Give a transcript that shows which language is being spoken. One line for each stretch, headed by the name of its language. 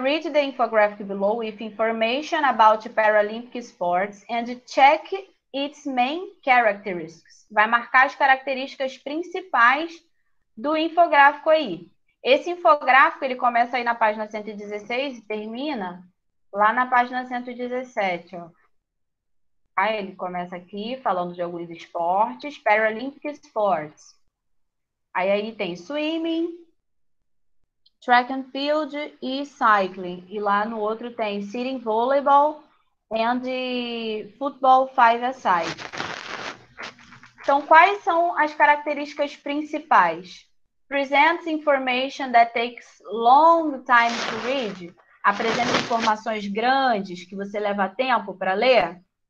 English: Read the infographic below with information about Paralympic sports and check its main characteristics.
Portuguese: Vai marcar as características principais do infográfico aí. Esse infográfico, ele começa aí na página 116 e termina lá na página 117, ó. Aí ele começa aqui falando de alguns esportes, Paralympic sports. Aí tem swimming, track and field e cycling. E lá no outro tem sitting volleyball and football five-a-side. Então, quais são as características principais?
English: Presents information that takes long time to read.
Portuguese: Apresenta informações grandes que você leva tempo para ler?